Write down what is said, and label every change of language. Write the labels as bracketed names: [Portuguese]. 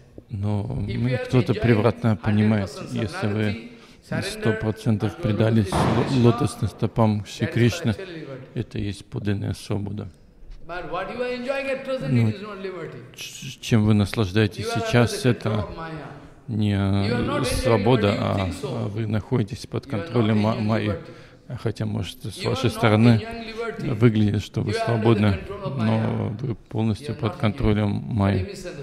[Russian] Но кто-то превратно понимает, если вы 100% предались лотосным стопам Шри Кришны, это есть подлинная свобода. [English] But what you are enjoying at present is not liberty. [Russian] Чем вы наслаждаетесь сейчас, это не свобода, а вы находитесь под контролем Майи. Хотя, может, с вашей стороны выглядит, что вы свободны, но вы полностью под контролем Майи.